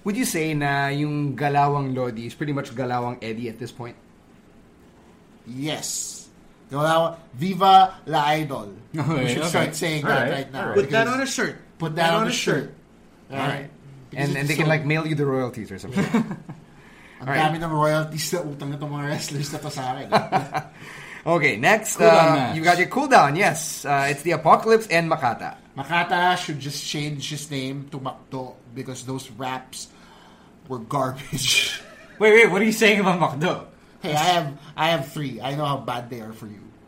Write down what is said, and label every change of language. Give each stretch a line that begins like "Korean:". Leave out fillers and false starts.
English: Would you say
Filipino: na yung
English: Galawang Lodi is pretty much Galawang Eddie at this point? Yes. Viva la Idol. Put that on a shirt. Put that on a shirt. Alright. And they can mail you the royalties or something.
Filipino: Ang dami ng royalties sa utang na itong mga wrestlers na to sa akin.
English: Okay, next. You got your cooldown, yes. It's the Apocalypse and Makata. Makata should just change his name to Makto because those raps were garbage. wait, what are you saying about Makto? Hey, I have three. I know how bad they are for you.